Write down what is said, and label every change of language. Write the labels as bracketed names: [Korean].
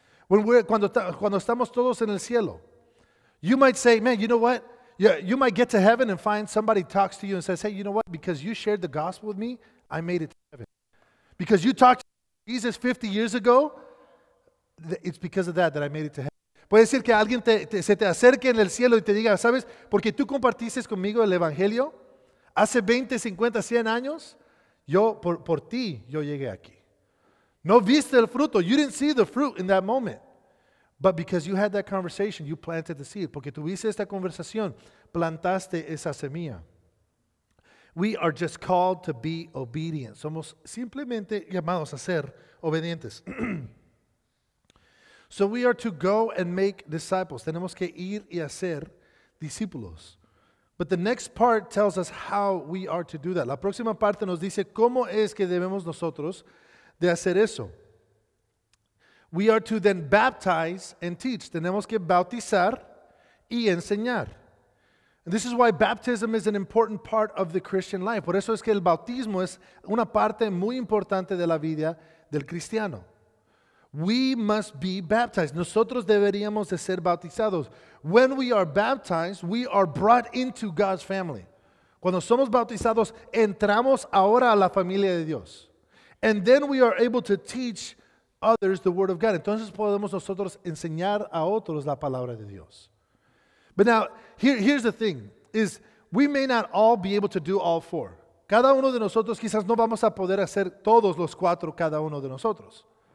[Spanish] Cuando estamos todos en el cielo. [English] You might say, man, you know what? You might get to heaven and find somebody talks to you and says, hey, you know what? Because you shared the gospel with me, I made it to heaven. Because you talked to Jesus 50 years ago, it's because of that I made it to heaven. [Spanish] Puede decir que alguien se te acerque en el cielo y te diga, ¿sabes? Porque tú compartiste conmigo el evangelio hace 20, 50, 100 años, yo por ti yo llegué aquí. No viste el fruto. [English] You didn't see the fruit in that moment. But because you had that conversation, you planted the seed. [Spanish] Porque tuviste esta conversación, plantaste esa semilla. [English] We are just called to be obedient. [Spanish] Somos simplemente llamados a ser obedientes. [English] So we are to go and make disciples. [Spanish] Tenemos que ir y hacer discípulos. [English] But the next part tells us how we are to do that. [Spanish] La próxima parte nos dice cómo es que debemos nosotros de hacer eso. [English] We are to then baptize and teach. [Spanish] Tenemos que bautizar y enseñar. [English] And this is why baptism is an important part of the Christian life. [Spanish] Por eso es que el bautismo es una parte muy importante de la vida del cristiano. [English] We must be baptized. [Spanish] Nosotros deberíamos de ser bautizados. [English] When we are baptized, we are brought into God's family. [Spanish] Cuando somos bautizados, entramos ahora a la familia de Dios. [English] And then we are able to teach others the word of God. [Spanish] Entonces podemos nosotros enseñar a otros la palabra de Dios. [English] But now, here's the thing, is we may not all be able to do all four. [Spanish] Cada uno de nosotros quizás no vamos a poder hacer todos los cuatro cada uno de nosotros.